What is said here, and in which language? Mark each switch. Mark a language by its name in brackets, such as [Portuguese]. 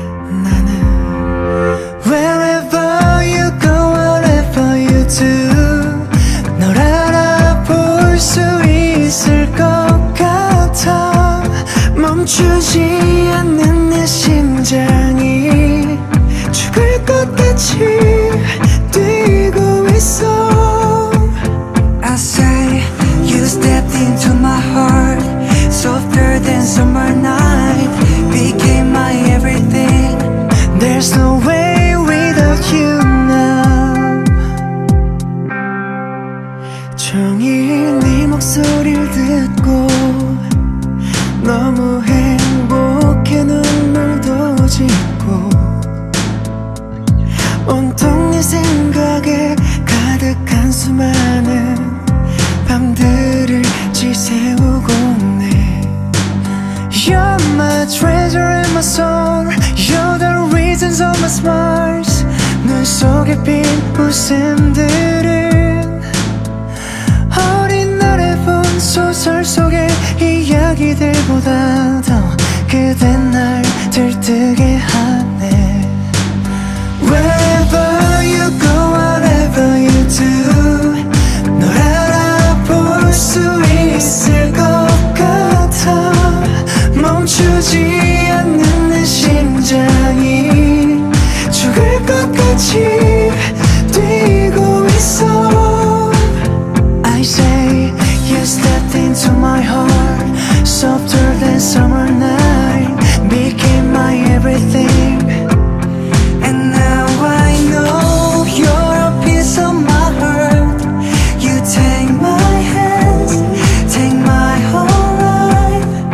[Korean] 나는 [English] wherever you go, whatever you do, [Korean] 널 알아볼 수 있을 것 같아. 멈추지 않는 내 심장이 죽을 것 같이 뛰고 있어. [English] I say you stepped into my heart, softer than summer night, became my everything. There's no way without you now. [Korean] 종일 네 목소리를 듣고 너무 행복해 눈물도 짓고 온통 네 생각에 가득한 수많은 밤들을 지새우고 있네. [English] You're my treasure and my soul, you're the reasons of my smiles. [Korean] 눈 속에 빈 웃음들은 어린 날의 본 소설 속의 이야기들보다 더 그댄 날 들뜨게 하네. [English] Wherever you go, whatever you do, [Korean] 널 알아볼 수 있을 것 같아. 멈추지 않는 내 심장이 죽을 것 같이 뛰고 있어. [English] I say you stepped into my heart, softer than summer night, became my everything. And now I know you're a piece of my heart. You take my hands, take my whole life.